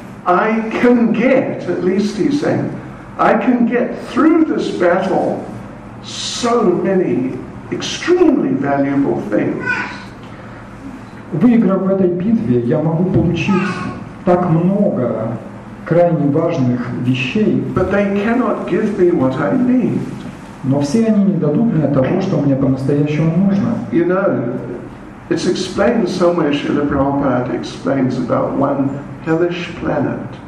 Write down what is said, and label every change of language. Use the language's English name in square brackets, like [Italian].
[English] I can get, at least he's saying, I can get through this battle so many extremely valuable things. [Russian] Выиграв в этой битве, я могу получить так много крайне важных вещей. [English] But they cannot give me what I need. [Russian] Но все они не дадут мне того, что мне по-настоящему нужно. [English] You know, it's explained somewhere, Srila Prabhupada explains about one hellish planet.